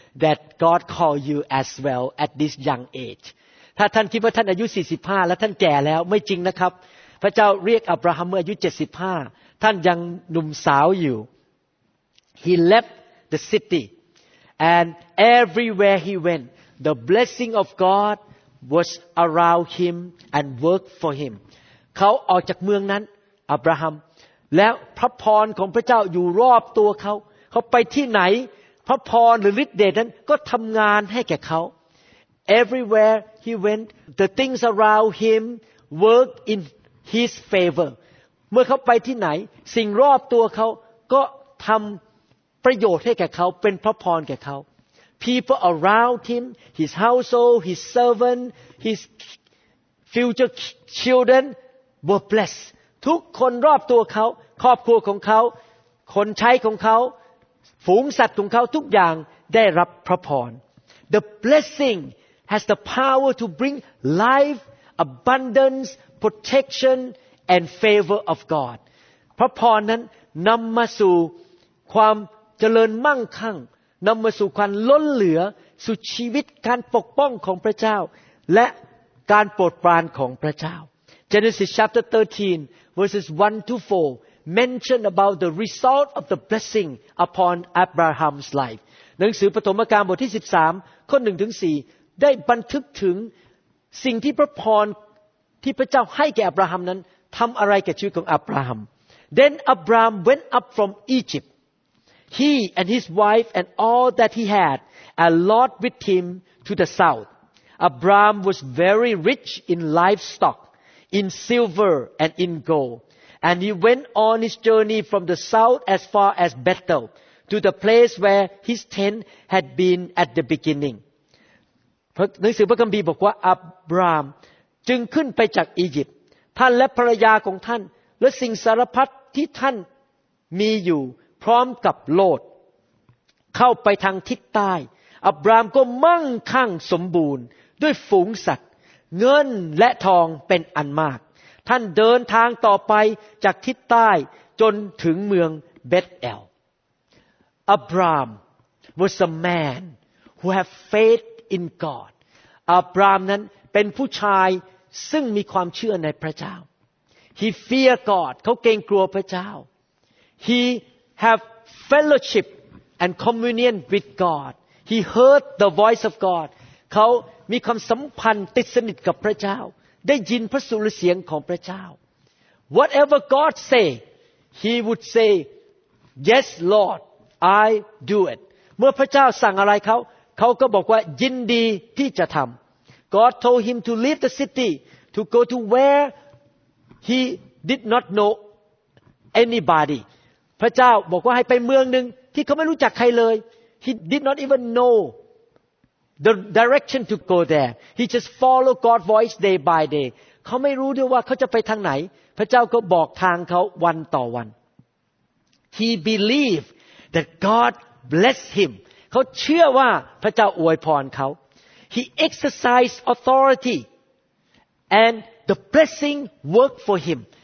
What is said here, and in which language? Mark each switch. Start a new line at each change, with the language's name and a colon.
English: That God call you as well at this young age.
Thai: ถ้าท่านคิดว่าท่านอายุ45แล้วท่านแก่แล้วไม่จริงนะครับพระเจ้าเรียกอับราฮัมเมื่ออายุ75ท่านยังหนุ่มสาวอยู่
English: He left the city and everywhere he went the blessing of God was around him and worked for him.
Thai: เขาออกจากเมืองนั้นอับราฮัมแล้วพระพรของพระเจ้าอยู่รอบตัวเขาเขาไปที่ไหนพระพรหรือฤทธิ์เดชนั้นก็ทำงานให้แก่เขา
English: Everywhere he went the things around him worked in his favor
Thai: เมื่อเขาไปที่ไหนสิ่งรอบตัวเขาก็ทำประโยชน์ให้แก่เขาเป็นพระพรแก่เขา
English: People around him his household his servant his future childrenWere blessed.
Thai: ทุกคนรอบตัวเขาครอบครัวของเขาคนใช้ของเขาฝูงสัตว์ของเขาทุกอย่างได้รับพระพร
English: The blessing has the power to bring life, abundance, protection, and favor of God.
Thai: พระพรนั้นนำมาสู่ความเจริญมั่งคั่งนำมาสู่ความล้นเหลือสู่ชีวิตการปกป้องของพระเจ้าและการโปรดปรานของพระเจ้า
English: Genesis chapter 13 verses 1 to 4 mention about the result of the blessing upon Abraham's life.
Thai: หนังสือปฐมกาลบทที่13ข้อ1ถึง4ได้บันทึกถึงสิ่งที่พระพรที่พระเจ้าให้แก่อับราฮัมนั้นทำอะไรกับชีวิตของอับราฮัม
English: Then Abraham went up from Egypt. He and his wife and all that he had and Lot with him to the south. Abraham was very rich in livestock. In silver and in gold. And he went on his journey from the south as far as Bethel, to the place where his tent had been at the beginning.
Thai: หนังสือพระคัมภีร์บอกว่าอับรามจึงขึ้นไปจากอียิปต์ท่านและภรรยาของท่านและสิ่งสารพัดที่ท่านมีอยู่พร้อมกับโลดเข้าไปทางทิศใต้อับรามก็มั่งคั่งสมบูรณ์ด้วยฝูงสัตว์เงินและทองเป็นอันมากท่านเดินทางต่อไปจากทิศใต้จนถึงเมืองเบธเอล
English: Abraham was a man who had faith in God
Thai: Abraham นั้นเป็นผู้ชายซึ่งมีความเชื่อในพระเจ้า
English: He feared God
Thai: เขาเกรงกลัวพระเจ้า
English: He have fellowship and communion with God He heard the voice of God
Thai: เขามีความสัมพันธ์ติดสนิทกับพระเจ้าได้ยินพระสุรเสียงของพระเจ้า
English: Whatever God say he would say yes Lord I do it
Thai: เมื่อพระเจ้าสั่งอะไรเขาเขาก็บอกว่ายินดีที่จะทำ
English: God told him to leave the city to go to where he did not know anybody
Thai: พระเจ้าบอกว่าให้ไปเมืองนึงที่เขาไม่รู้จักใครเลย
English: he did not even knowThe direction to go there. He just followed God's voice day by day.
Thai: เขาไม่รู้ด้วยว่าเขาจะไปทางไหนพระเจ้าก็บอกทางเขาวันต่อวัน
English: He believed that God blessed him.
Thai: เขาเชื่อว่าพระเจ้าอวยพรเขา
English: He exercised authority. And the blessing worked for him.